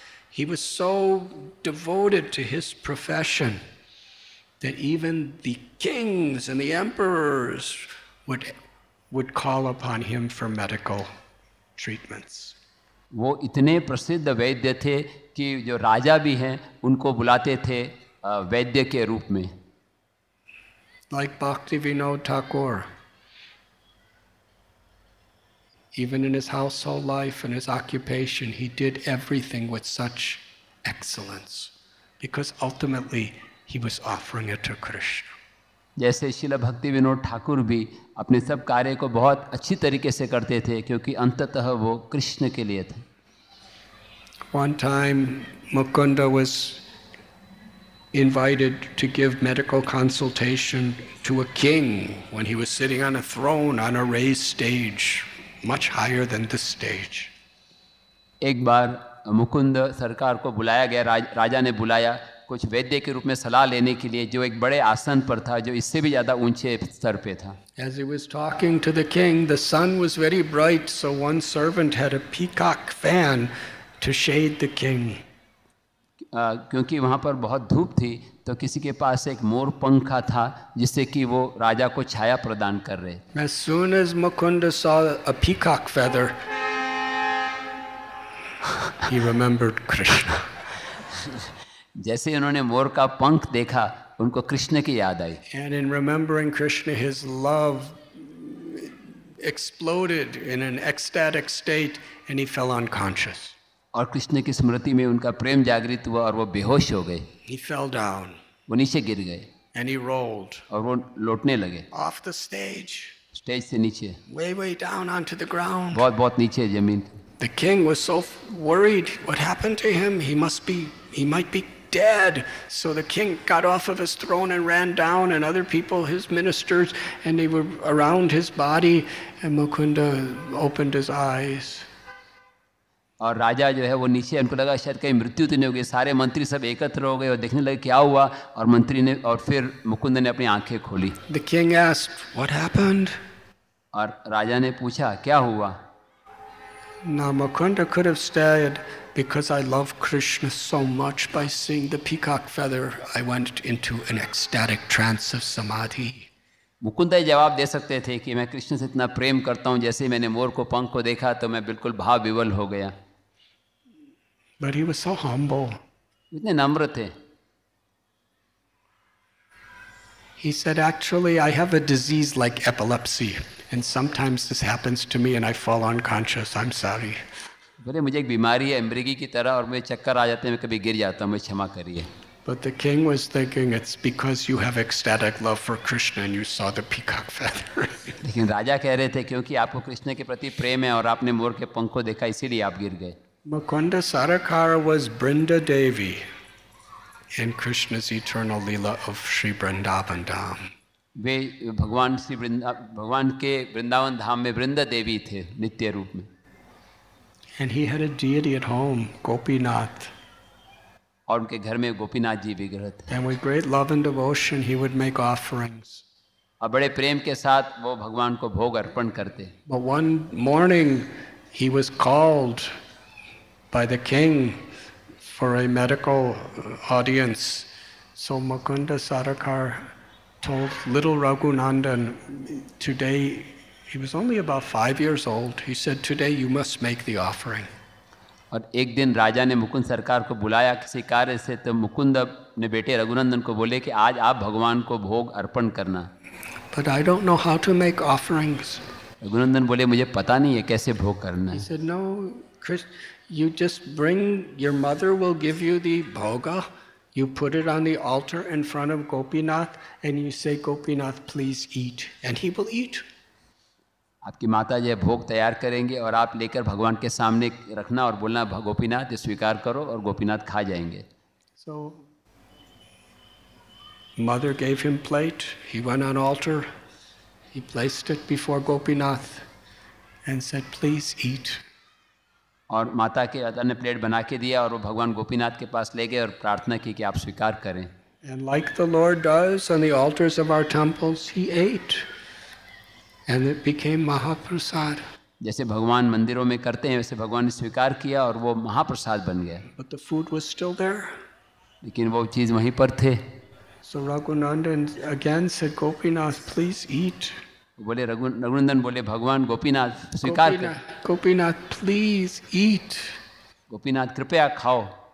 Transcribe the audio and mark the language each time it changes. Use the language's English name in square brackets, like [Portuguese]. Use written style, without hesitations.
[English] He was so devoted to his profession that even the kings and the emperors would call upon him for medical treatments. [Hindi] वो इतने प्रसिद्ध वैद्य थे कि जो राजा भी हैं उनको बुलाते थे वैद्य के रूप में. [English] Like Bhaktivinoda Thakur, even in his household life and his occupation, he did everything with such excellence because ultimately he was offering it to Krishna. [Hindi] जैसे श्रील भक्ति विनोद ठाकुर भी अपने सब कार्य को बहुत अच्छी तरीके से करते थे क्योंकि अंततः वो कृष्ण के लिए थे. [English] One time, Mukunda was invited to give medical consultation to a king when he was sitting on a throne on a raised stage, much higher than this stage. [Hindi] एक बार मुकुंद सरकार को बुलाया गया, राजा ने बुलाया कुछ वैद्य के रूप में सलाह लेने के लिए, जो एक बड़े आसन पर था जो इससे भी ज्यादा ऊंचे स्तर पे था. [English] As he was talking to the king, the sun was very bright, so one servant had a peacock fan to shade the king. [Hindi] क्योंकि वहां पर बहुत धूप थी तो किसी के पास एक मोर पंखा था जिससे कि वो राजा को छाया प्रदान कर रहे. [English] As soon as Mukunda saw a peacock feather, he remembered Krishna. [Hindi] जैसे उन्होंने मोर का पंख देखा उनको कृष्ण की याद आई. [English] And in remembering Krishna, his love exploded in an ecstatic state and he fell unconscious. [Hindi] और कृष्ण की स्मृति में उनका प्रेम जागृत हुआ और वो बेहोश हो गए. [English] He fell down. [Hindi] वो नीचे गिर गए. [English] And he rolled. [Hindi] और वो लौटने लगे. [English] Off the stage. [Hindi] स्टेज से नीचे. [English] Way, way down onto the ground. [Hindi] बहुत बहुत नीचे जमीन. [English] The king was so worried what happened to him. He might be dead. So the king got off of his throne and ran down, and other people, his ministers, and they were around his body, and Mukunda opened his eyes. [Hindi] और राजा जो है वो नीचे, उनको लगा शायद कहीं मृत्यु तो नहीं होगी, सारे मंत्री सब एकत्र हो गए और देखने लगे क्या हुआ, और मंत्री ने और फिर मुकुंद ने अपनी आंखें खोली. [English] The king asked, "What happened?" [Hindi] और राजा ने पूछा क्या हुआ. [English] Now, Mukunda could have said, "Because I love Krishna so much, by seeing the peacock feather, I went into an ecstatic trance of samadhi." [Hindi] Mukunda जवाब दे सकते थे कि मैं कृष्ण से इतना प्रेम करता हूँ, जैसे मैंने मोर को पंख को देखा तो मैं बिल्कुल भाव विवल हो गया. [English] But he was so humble. [Hindi] इतने नम्र थे. [English] He said, "Actually, I have a disease like epilepsy, and sometimes this happens to me, and I fall unconscious. I'm sorry." [Hindi] बोले मुझे एक बीमारी है अमरीकी की तरह और मुझे चक्कर आ जाते हैं, कभी गिर जाता हूँ, मुझे क्षमा करिए. [English] But the king was thinking, "It's because you have ecstatic love for Krishna and you saw the peacock feather." [Hindi] लेकिन राजा कह रहे थे क्योंकि आपको कृष्ण के प्रति प्रेम है और आपने मोर के पंख को देखा, इसीलिए आप गिर गए. [English] Mukunda Sarakara was Brinda Devi in Krishna's eternal leela of Sri Vrindavan Dham. [Hindi] वे भगवान श्री भगवान के वृंदावन धाम में वृंदा देवी थे नित्य रूप में. [English] And he had a deity at home, Gopinath. [Hindi] और उनके घर में गोपीनाथ जी विग्रह थे. [English] And with great love and devotion, he would make offerings. [Hindi] और बड़े प्रेम के साथ वो भगवान को भोग अर्पण करते. [English] But one morning, he was called by the king for a medical audience. So Mukunda Sarakar told little Raghunandan, "Today," he was only about 5 years old, he said, "Today you must make the offering." [Hindi] और एक दिन राजा ने मुकुंद सरकार को बुलाया किसी कार्य से, तो मुकुंद ने बेटे रघुनंदन को बोले कि आज आप भगवान को भोग अर्पण करना. [English] But I don't know how to make offerings. [Hindi] Raghunandan बोले मुझे पता नहीं है कैसे भोग करना. [English] He said, "No, Chris, you just bring, your mother will give you the bhoga, you put it on the altar in front of Gopinath and you say, 'Gopinath, please eat,' and he will eat." [Hindi] आपकी माता जी भोग तैयार करेंगे और आप लेकर भगवान के सामने रखना और बोलना गोपीनाथ ये स्वीकार करो और गोपीनाथ खा जाएंगे. [English] So, mother gave him plate. He went on altar. He placed it before Gopinath and said, "Please eat." [Hindi] और माता के अदा ने प्लेट बना के दिया और वो भगवान गोपीनाथ के पास ले गए और प्रार्थना की कि आप स्वीकार करें. [English] And like the Lord does on the altars of our temples, he ate. And it became Mahaprasad. [Hindi] जैसे भगवान मंदिरों में करते हैं वैसे भगवान ने स्वीकार किया और वो महाप्रसाद बन गया. [English] But the food was still there. [Hindi] लेकिन वो चीज वहीं पर थे. [English] So Raghunandan again said, "Gopinath, please eat." [Hindi] बोले रघुनंदन बोले भगवान गोपीनाथ स्वीकार कर. [English] Gopinath, please eat. [Hindi] गोपीनाथ कृपया खाओ.